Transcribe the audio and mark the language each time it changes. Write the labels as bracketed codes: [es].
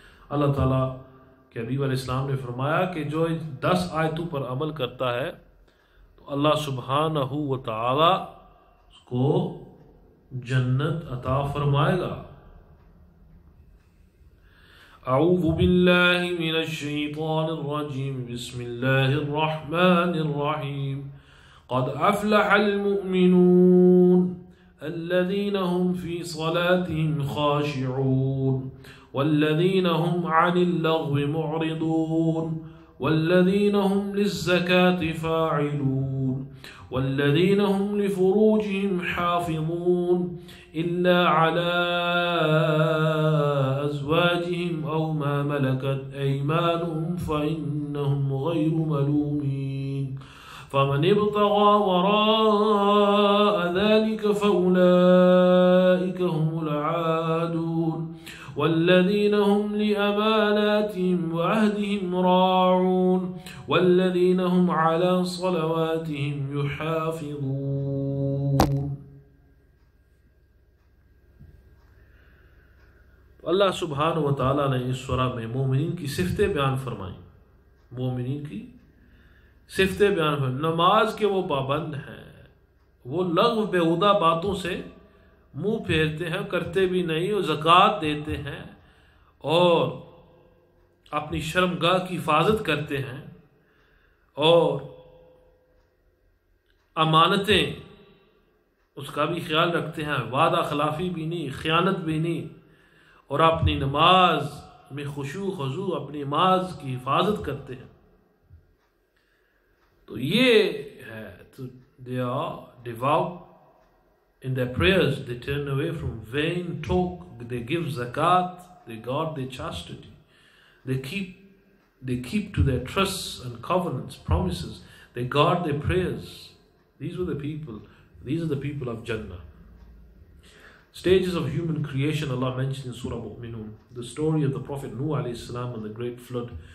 [ur] Allah Ta'ala, کہ حبیب علیہ السلام نے فرمایا کہ جو 10 آیتوں پر عمل کرتا ہے تو اللہ سبحانہ و تعالی اس کو جنت عطا فرمائے گا. [ar] اعوذ باللہ من الشیطان الرجیم، بسم اللہ الرحمن الرحیم، قد افلح المؤمنون الذین هم فی صلاتهم خاشعون والذين هم عن اللغو معرضون والذين هم للزكاة فاعلون والذين هم لفروجهم حافظون إلا على أزواجهم أو ما ملكت أيمانهم فإنهم غير ملومين فمن ابتغى وراء ذلك فأولئك هم العادون والذين هم لأماناتهم وعهدهم راعون والذين هم على صلواتهم يحافظون. [ur] اللہ سبحانہ و تعالیٰ نے اس سورہ میں مومنین کی صفتیں بیان فرمائیں، مومنین کی صفتیں بیان فرمائیں، نماز کے وہ پابند ہیں، وہ لغو بیہودہ باتوں سے منہ پھیرتے ہیں، کرتے بھی نہیں، اور زکوٰۃ دیتے ہیں اور اپنی شرمگاہ کی حفاظت کرتے ہیں اور امانتیں اس کا بھی خیال رکھتے ہیں، وعدہ خلافی بھی نہیں، خیانت بھی نہیں، اور اپنی نماز میں خشوع خضوع اپنی نماز کی حفاظت کرتے ہیں. تو یہ ہے، [en] تو they are devout in their prayers, they turn away from vain talk, they give زکوٰۃ، They guard their chastity. They keep to their trusts and covenants, promises. They guard their prayers. These are the people of Jannah. Stages of human creation, Allah mentioned in Surah Mu'minun. The story of the Prophet Nuh alayhi salam and the great flood.